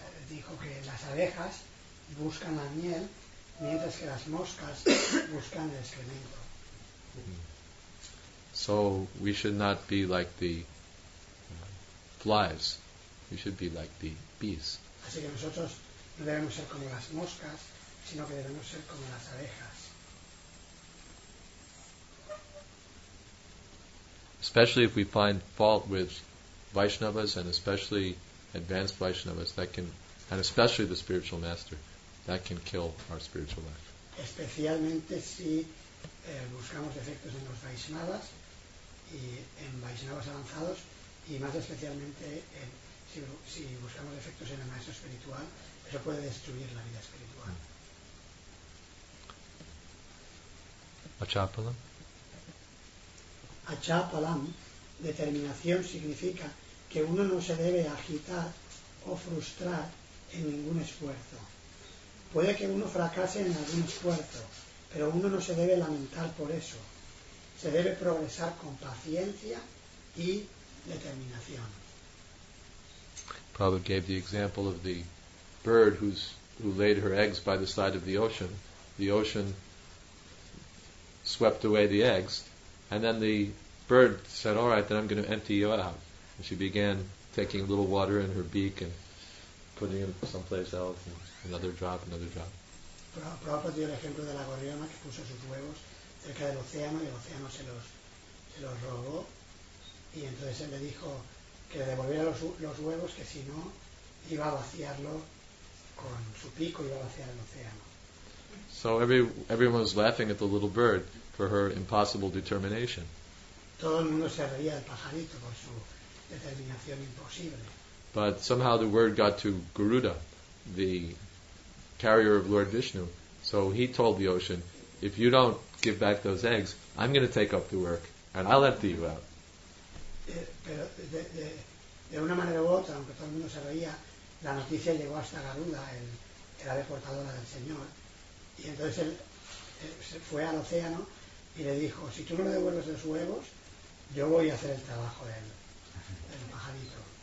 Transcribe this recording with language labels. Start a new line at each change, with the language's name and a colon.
Spanish: Dijo que las abejas buscan la miel mientras que las moscas buscan el excremento.
English: So we should not be like the flies. We should be like the bees.
Spanish: Así que nosotros no debemos ser como las moscas, sino que debemos ser como las abejas. Especially if we find fault with Vaishnavas and especially advanced Vaishnavas that can, and especially the spiritual master, that can kill our spiritual life. Especialmente si buscamos defectos en los Vaishnavas y en Vaishnavas avanzados, y más especialmente si buscamos defectos en el maestro espiritual, eso puede destruir la vida espiritual. Achapalam. Achapalam, determinación, significa que uno no se debe agitar o frustrar en ningún esfuerzo. Puede que uno fracase en algún esfuerzo, pero uno no se debe lamentar por eso. Se debe progresar con paciencia y determinación.
English: Prabhupada gave the example of the bird who laid her eggs by the side of the ocean. The ocean swept away the eggs, and then the bird said, "All right, then I'm going to empty you out." And she began taking a little water in her beak and putting it someplace else, and another drop, another drop.
Spanish: Prabhupada dio el ejemplo de la gorriona que puso sus huevos cerca del océano y el océano se los robó, y entonces él le dijo que devolviera los huevos, que si no iba a vaciarlo con su pico, iba a vaciar el océano.
English: So everyone was laughing at the little bird for her impossible determination.
Spanish: Todo el mundo se reía del pajarito por su determinación imposible.
English: But somehow the word got to Garuda, the carrier of Lord Vishnu. So he told the ocean, if you don't give back those eggs, I'm going to take up the work, and I'll empty you out.
Spanish: Pero De una manera u otra, aunque todo el mundo se reía, la noticia llegó hasta Garuda, el ave portadora del Señor. Y entonces él fue al océano y le dijo, si tú no le devuelves los huevos, yo voy a hacer el trabajo de él, el pajarito.